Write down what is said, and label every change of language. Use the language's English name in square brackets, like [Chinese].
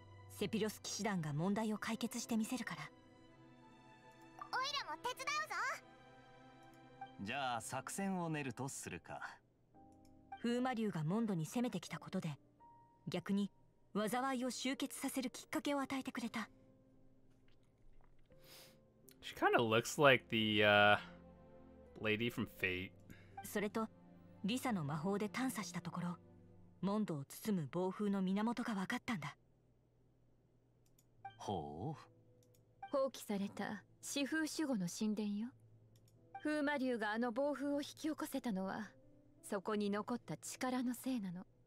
[Japanese] セピロス騎士団が問題を解決してみせるから。オイラも手伝うぞ。じゃあ作戦を練るとするか。風魔竜がモンドに攻めてきたことで逆に災いを集結させるきっかけを与えてくれた。 [English] She kind of looks like the lady from Fate. [Japanese] それとリサの魔法で探査したところ、モンドを包む暴風の源が分かったんだ。ほう。放棄された四風守護の神殿よ。風魔竜があの暴風を引き起こせたのはそこに残った力のせいなの。